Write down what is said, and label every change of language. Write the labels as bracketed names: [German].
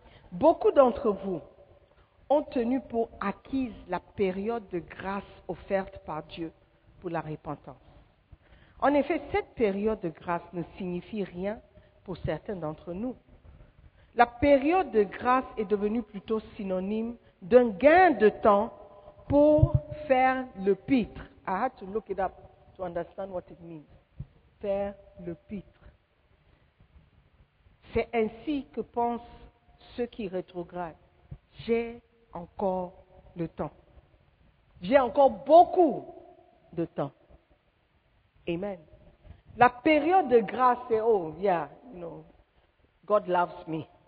[French] Beaucoup d'entre vous ont tenu pour acquise la période de grâce offerte par Dieu pour la repentance. En effet, cette période de grâce ne signifie rien pour certains d'entre nous. La période de grâce est devenue plutôt synonyme d'un gain de temps pour faire le pitre. [English] I had to look it up to understand what it means. [French] Faire le pitre. C'est ainsi que pensent ceux qui rétrogradent. J'ai encore le temps. J'ai encore beaucoup de temps. Amen. La période de grâce, c'est, [English] oh, yeah, you know, God loves me.